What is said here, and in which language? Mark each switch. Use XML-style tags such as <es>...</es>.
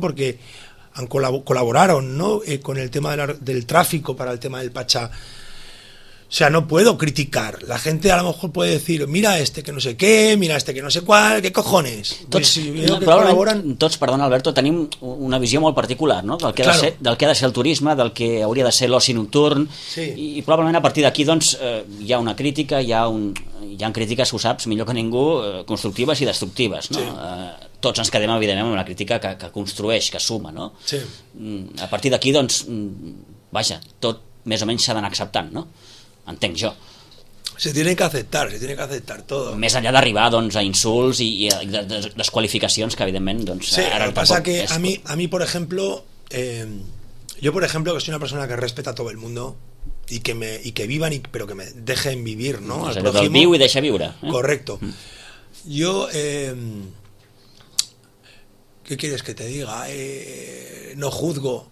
<es>Porque colaboraron, ¿no? Con el tema del tráfico para el tema del Pachá. O sea, no puedo criticar. La gente a lo mejor puede decir, mira este que no sé qué, mira este que no sé cuál, ¿qué cojones?</es> <ca>Tots, tots, perdona Alberto, tenim una visió molt particular, no? Del que, claro. del que ha de ser el turisme, del que hauria de ser l'oci nocturn, sí. I probablement a partir d'aquí doncs, hi ha una crítica, hi ha crítiques, ho saps millor que ningú, constructives i destructives, no? Sí. Tots ens quedem, evidentment, amb una crítica que construeix, que suma, no? Sí. A partir d'aquí, doncs, vaja, tot més o menys s'ha d'anar acceptant, no? Entenc jo.</ca> <es>Se tiene que aceptar todo.</es> <ca>Més enllà d'arribar doncs, a insults i desqualificacions que evidentment doncs, sí, ara el que passa que és... a mi per exemple jo per exemple que</ca> <es>soy una persona que respeta a todo el mundo y que vivan y, pero que me dejen vivir, ¿no? Al prójimo.</es> <ca>Del viu i deixa viure.</ca> <es>Correcto. Yo ¿qué quieres que te diga? No juzgo.</es>